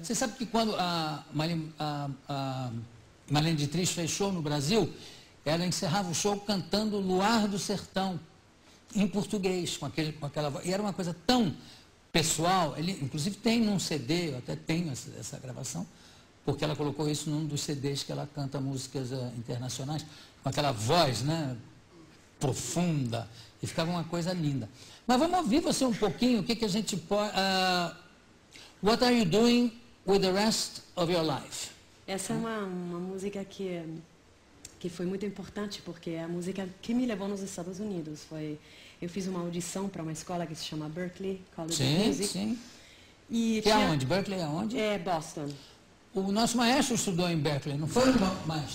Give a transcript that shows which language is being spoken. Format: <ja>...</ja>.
<pt>Você sabe que quando a Marlene Dietrich fechou no Brasil, ela encerrava o show cantando Luar do Sertão, em português, com aquela voz. E era uma coisa tão pessoal, inclusive tem num CD, eu até tenho essa gravação, porque ela colocou isso num dos CDs que ela canta músicas internacionais, com aquela voz, né, profunda, e ficava uma coisa linda. Mas vamos ouvir você um pouquinho, o que, que a gente pode...</pt> <en>What are you doing with the rest of your life?</en> <pt>Essa é uma música que foi muito importante, porque é a música que me levou nos Estados Unidos. Eu fiz uma audição para uma escola que se chama Berklee College of Music. Sim, sim. Que é onde? Berklee é onde? É Boston. O nosso maestro estudou em Berklee, não foi, maestro?</pt>